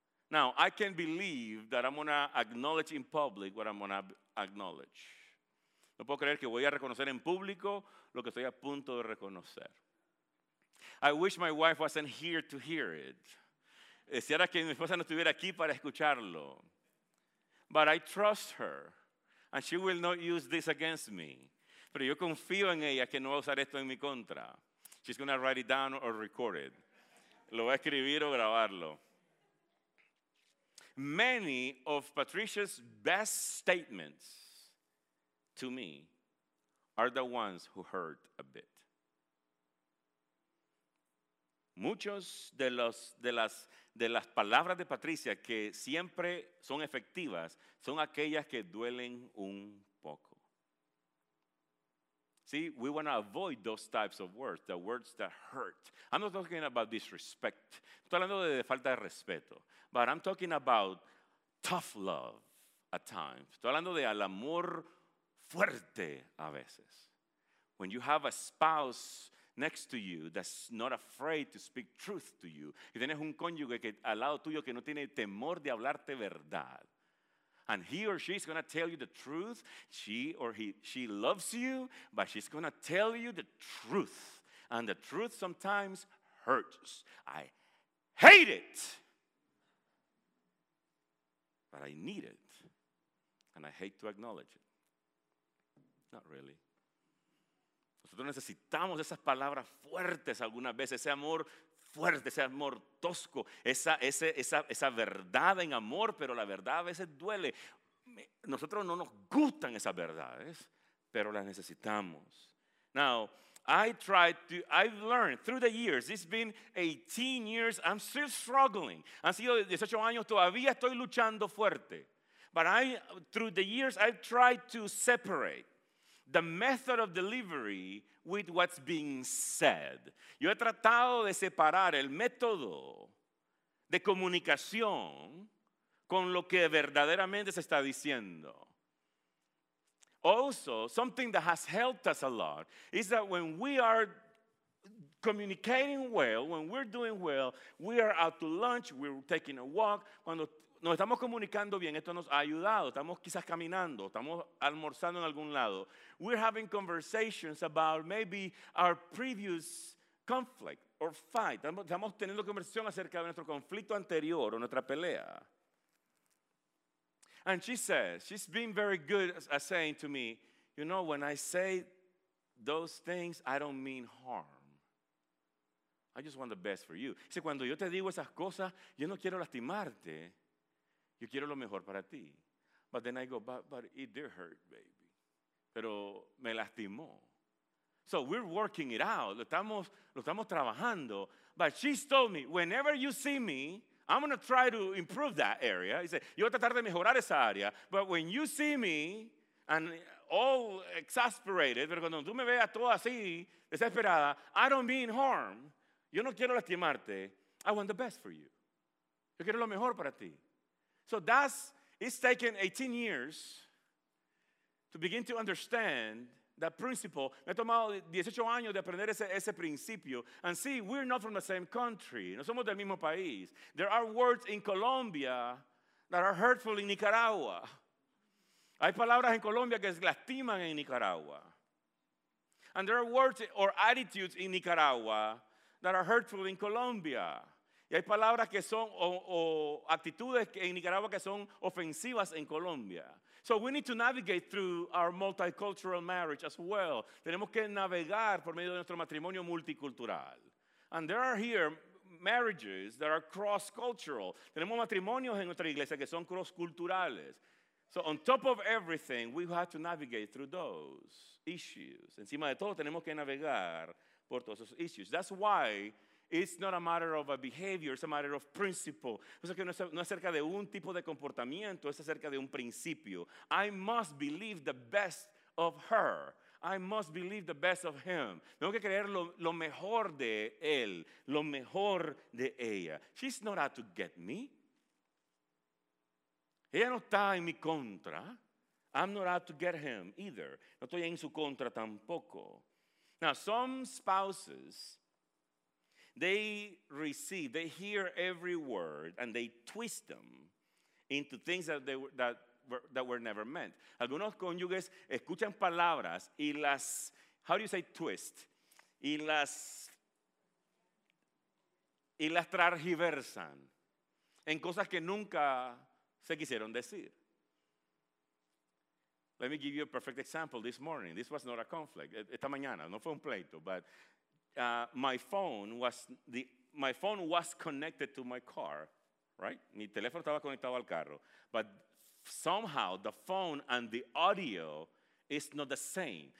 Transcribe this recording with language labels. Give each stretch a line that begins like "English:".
English: Now, I can believe that I'm going to acknowledge in public what I'm going to acknowledge.
Spanish: No puedo creer que voy a reconocer en público lo que estoy a punto de reconocer.
English: I wish my wife wasn't here to hear it.
Spanish: Deseara que mi esposa no estuviera aquí para escucharlo.
English: But I trust her, and she will not use this against me.
Spanish: Pero yo confío en ella que no va a usar esto en mi contra.
English: She's going to write it down or record it.
Spanish: Lo va a escribir o grabarlo.
English: Many of Patricia's best statements to me are the ones who hurt a bit.
Spanish: Muchos de las palabras de Patricia que siempre son efectivas son aquellas que duelen un poco.
English: See, we want to avoid those types of words, the words that hurt. I'm not talking about disrespect.
Spanish: Estoy hablando de falta de respeto.
English: But I'm talking about tough love at times.
Spanish: Estoy hablando de al amor fuerte a veces.
English: When you have a spouse next to you that's not afraid to speak truth to you.
Spanish: Y tienes un cónyuge que al lado tuyo que no tiene temor de hablarte verdad.
English: And he or she is going to tell you the truth. She or he, she loves you, but she's going to tell you the truth. And the truth sometimes hurts. I hate it. But I need it. And I hate to acknowledge it. Not really.
Spanish: Nosotros necesitamos esas palabras fuertes algunas veces, ese amor fuerte, ese amor tosco, esa verdad en amor, pero la verdad a veces duele. Nosotros no nos gustan esas verdades, pero las necesitamos.
English: Now, I've learned through the years, it's been 18 years, I'm still struggling.
Spanish: Han sido 18 años, todavía estoy luchando fuerte.
English: But through the years, I've tried to separate the method of delivery with what's being said.
Spanish: Yo he tratado de separar el método de comunicación con lo que verdaderamente se está diciendo.
English: Also, something that has helped us a lot is that when we are communicating well, when we're doing well, we are out to lunch, we're taking a walk.
Spanish: Cuando nos estamos comunicando bien, esto nos ha ayudado. Estamos quizás caminando, estamos almorzando en algún lado.
English: We're having conversations about maybe our previous conflict or fight.
Spanish: Estamos teniendo conversación acerca de nuestro conflicto anterior o nuestra pelea.
English: And she says, she's been very good at saying to me, you know, when I say those things, I don't mean harm. I just want the best for you.
Spanish: Dice, cuando yo te digo esas cosas, yo no quiero lastimarte. Yo quiero lo mejor para ti.
English: But then I go, but it did hurt, baby.
Spanish: Pero me lastimó.
English: So we're working it out.
Spanish: Lo estamos trabajando.
English: But she told me, whenever you see me, I'm going to try to improve that area. He said,
Spanish: yo voy a tratar de mejorar esa área.
English: But when you see me, and all exasperated,
Spanish: pero cuando tú me veas todo así, desesperada,
English: I don't mean harm.
Spanish: Yo no quiero lastimarte.
English: I want the best for you.
Spanish: Yo quiero lo mejor para ti.
English: So it's taken 18 years to begin to understand that principle.
Spanish: Me ha tomado 18 años de aprender ese principio.
English: And see, we're not from the same country.
Spanish: No somos del mismo país.
English: There are words in Colombia that are hurtful in Nicaragua.
Spanish: Hay palabras en Colombia que lastiman en Nicaragua.
English: And there are words or attitudes in Nicaragua that are hurtful in Colombia.
Spanish: Y hay palabras que son o actitudes en Nicaragua que son ofensivas en Colombia.
English: So we need to navigate through our multicultural marriage as well.
Spanish: Tenemos que navegar por medio de nuestro matrimonio multicultural.
English: And there are here marriages that are cross-cultural.
Spanish: Tenemos matrimonios en nuestra iglesia que son cross-culturales.
English: So on top of everything, we have to navigate through those issues.
Spanish: Encima de todo, tenemos que navegar por todos esos issues.
English: That's why it's not a matter of a behavior, it's a matter of principle.
Spanish: O sea, que no es acerca de un tipo de comportamiento, es acerca de un principio.
English: I must believe the best of her. I must believe the best of him.
Spanish: Tengo que creer lo mejor de él, lo mejor de ella.
English: She's not out to get me.
Spanish: Ella no está en mi contra.
English: I'm not out to get him either.
Spanish: No estoy en su contra tampoco.
English: Now, some spouses, they receive, they hear every word and they twist them into things that were never meant.
Spanish: Algunos cónyuges escuchan palabras y las,
English: how do you say twist?
Spanish: Y las tergiversan en cosas que nunca se quisieron decir.
English: Let me give you a perfect example this morning. This was not a conflict.
Spanish: Esta mañana no fue un pleito,
English: but my phone was connected to my car, right?
Spanish: Mi teléfono estaba conectado al carro.
English: But somehow the phone and the audio is not the same.